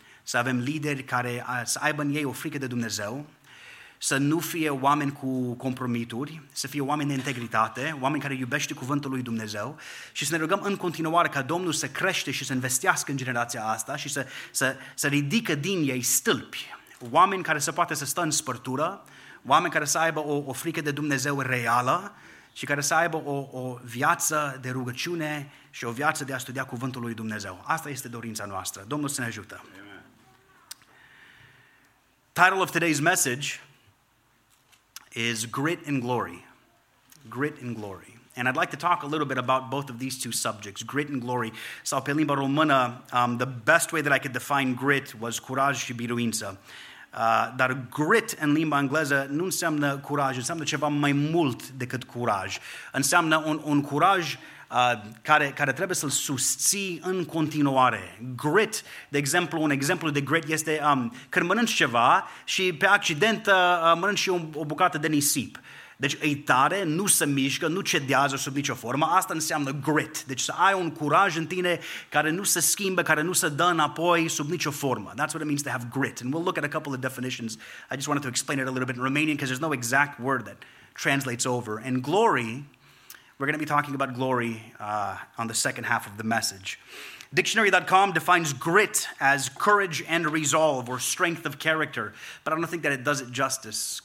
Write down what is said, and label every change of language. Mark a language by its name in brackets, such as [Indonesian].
[Romanian] Să avem lideri care să aibă în ei o frică de Dumnezeu, să nu fie oameni cu compromituri, să fie oameni de integritate, oameni care iubește cuvântul lui Dumnezeu, și să ne rugăm în continuare ca Domnul să crește și să investească în generația asta și să ridică din ei stâlpi, oameni care să poată să stă în spărtură, oameni care să aibă o frică de Dumnezeu reală și care să aibă o viață de rugăciune și o viață de a studia cuvântul lui Dumnezeu. Asta este dorința noastră. Domnul să ne ajută. Amen. [English] Title of today's message is Grit and Glory. Grit and Glory. And I'd like to talk a little bit about both of these two subjects, grit and glory. [Romanian] Sau pe limba română, [English] the best way that I could define grit was [Romanian] curaj și biruință. Dar grit în limba engleză nu înseamnă curaj, înseamnă ceva mai mult decât curaj. Înseamnă un curaj care trebuie să-l susții în continuare. Grit, de exemplu, un exemplu de grit este când mănânci ceva și pe accident mănânci și o bucată de nisip. Deci e tare, nu se mișcă, nu cedează sub nicio formă, asta înseamnă grit. Deci să ai un curaj în tine care nu se schimbă, care nu se dă înapoi sub nicio formă. [English] That's what it means to have grit. And we'll look at a couple of definitions. I just wanted to explain it a little bit in Romanian because there's no exact word that translates over. And glory, we're going to be talking about glory on the second half of the message. Dictionary.com defines grit as courage and resolve or strength of character, but I don't think that it does it justice.